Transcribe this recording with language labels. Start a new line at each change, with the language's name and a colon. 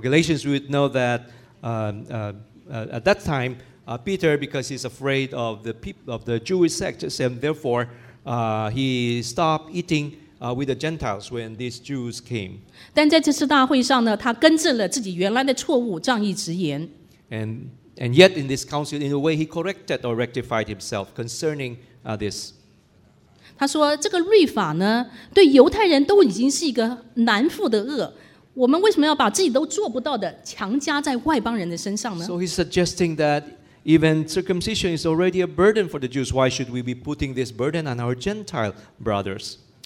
English: Galatians, we would know that at that time, Peter, because he's afraid of the people of the Jewish sect, and therefore he stopped eating with the Gentiles when these Jews came.
Chinese: 但在这次大会上呢，他更正了自己原来的错误，仗义直言。
English: And yet in this council, in a way, he corrected or rectified himself concerning this.
Chinese: 他说这个律法呢，对犹太人都已经是一个难负的轭，我们为什么要把自己都做不到的强加在外邦人的身上呢？
English: So he's suggesting that even circumcision is already a burden for the Jews. Why should we be putting this burden on our Gentile brothers?